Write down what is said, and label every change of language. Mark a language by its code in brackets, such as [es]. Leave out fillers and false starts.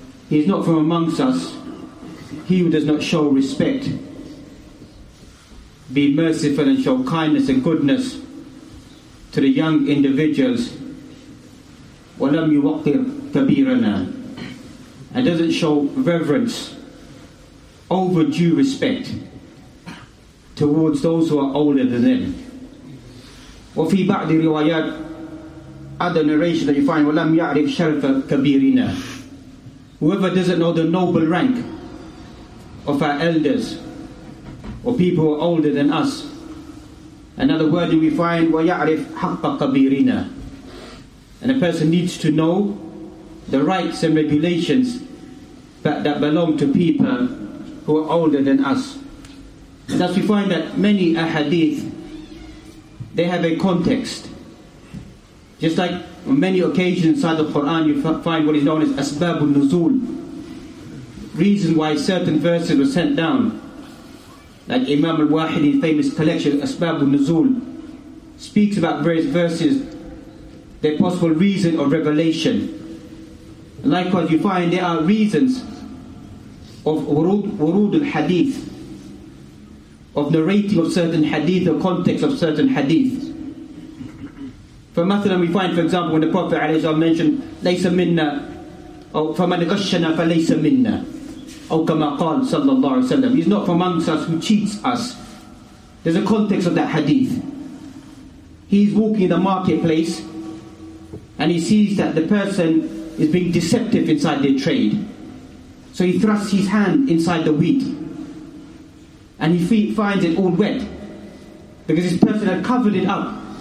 [en] He is not from amongst us he who does not show respect, be merciful and show kindness and goodness to the young individuals. [ar] وَلَمْ يُوَقِّرْ كَبِيرَنَا. [en] And doesn't show reverence, overdue respect towards those who are older than them. [ar] وفي بعض الروايات, [en] other narration that you find, [ar] وَلَمْ يَعْرِفْ شَرْفَ كَبِيرِنَا. [en] Whoever doesn't know the noble rank of our elders or people who are older than us. Another word that we find, [ar] وَيَعْرِفْ حَقَّ كَبِيرِنَا. [en] And a person needs to know the rights and regulations that belong to people who are older than us. And thus we find that many ahadith, they have a context. Just like on many occasions inside the Quran, you find what is known as asbabun nuzul, reason why certain verses were sent down. Like Imam al-Wahidi's famous collection, asbabun nuzul, speaks about various verses, their possible reason or revelation. And likewise, you find there are reasons of wurud al-hadith, of narrating of certain hadith, or context of certain hadith. For masalan, we find, for example, when the Prophet ﷺ mentioned, [ar] لَيْسَ مِنَّا فَمَنْ غَشَّنَا فَلَيْسَ مِنَّا أَوْ كَمَا قَالْ صَلَّى اللَّهُ عَلَيْهِ وَسَلَّمَ. [en] He's not from amongst us who cheats us. There's a context of that hadith. He's walking in the marketplace and he sees that the person is being deceptive inside their trade. So he thrusts his hand inside the wheat and he finds it all wet because this person had covered it up.